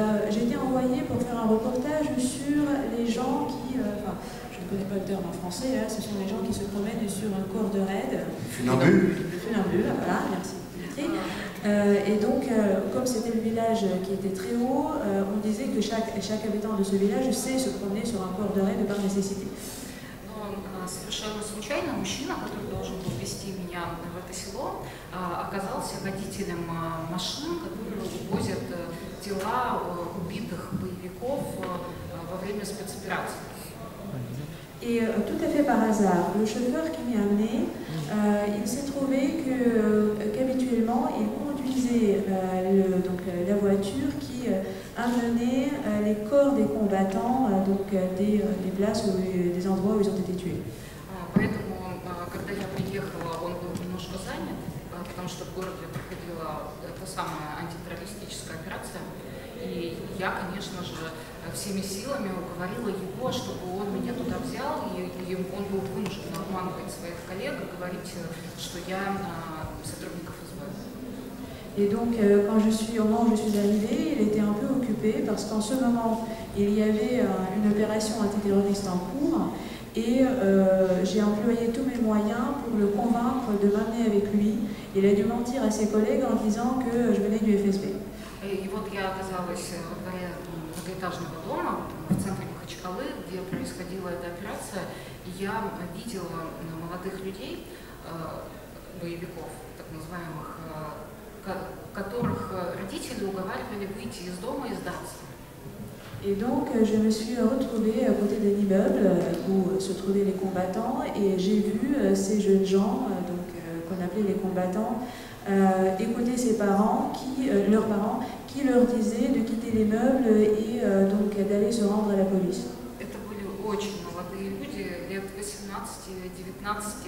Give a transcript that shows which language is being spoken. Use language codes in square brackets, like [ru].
[fr] J'ai été envoyée pour faire un reportage sur les gens qui, je ne connais pas le terme en français, hein, ce sont les gens qui se promènent sur un corps de raid. Funambule, voilà, merci. Et donc, comme c'était le village qui était très haut, on disait que chaque habitant de ce village sait se promener sur un corps de raid par nécessité. [ru] Совершенно случайно мужчина, который должен был вести меня в это село, оказался водителем машин, которые увозят тела убитых боевиков во время спецоперации. [fr] И tout à fait par hasard, le chauffeur qui m'a amené, il s'est trouvé que qu'habituellement il conduisait la voiture qui amenait les corps des combattants, donc des places ou des endroits où ils ont été tués. [ru] Поэтому, когда я приехала, он был немножко занят, потому что в городе проходила та самая антитеррористическая операция. И я, конечно же, всеми силами уговорила его, чтобы он меня туда взял, и он был вынужден обманывать своих коллег и говорить, что я сотрудник ФСБ. [fr] И donc, quand je suis, au moment où je suis arrivée, il était un peu occupé, parce qu'en ce moment, il y avait une opération antiterroriste en cours. Et j'ai employé tous mes moyens pour le convaincre de m'amener avec lui. Il a dû mentir à ses collègues en disant que je venais du FSB. [ru] Et вот я оказалась в многоэтажного дома в центре Махачкалы, где происходила эта операция. Я видела молодых людей, боевиков, так называемых, которых родители уговаривали выйти из дома и сдаться. [fr] Et donc, je me suis retrouvée à côté d'un immeuble où se trouvaient les combattants et j'ai vu ces jeunes gens, donc, qu'on appelait les combattants, écouter ses parents, qui leur disaient de quitter l'immeuble et donc d'aller se rendre à la police. [ru] Это были очень молодые люди, лет 18-19.